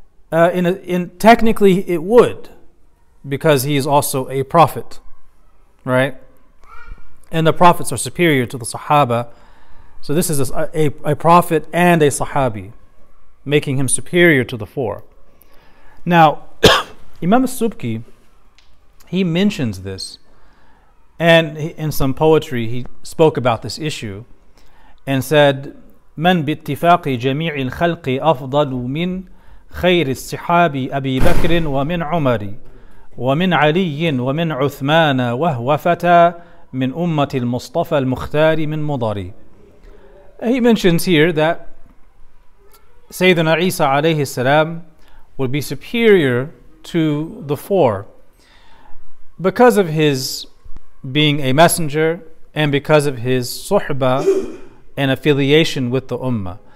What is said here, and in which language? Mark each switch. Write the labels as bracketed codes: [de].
[en] Technically it would, because he is also a prophet, right? And the prophets are superior to the Sahaba. So this is a prophet and a Sahabi, making him superior to the four. Now, Imam al-Subki, he mentions this. And in some poetry, he spoke about this issue and said, [ar] من باتفاق جميع الخلق أفضل من خير الصحابي أبي بكر ومن عمر ومن علي ومن عثمان وهو فتى من أمة المصطفى المختار من مضاري. [en] He mentions here that Sayyidina Isa alayhi salam will be superior to the four because of his being a messenger and because of his suhbah and affiliation with the ummah.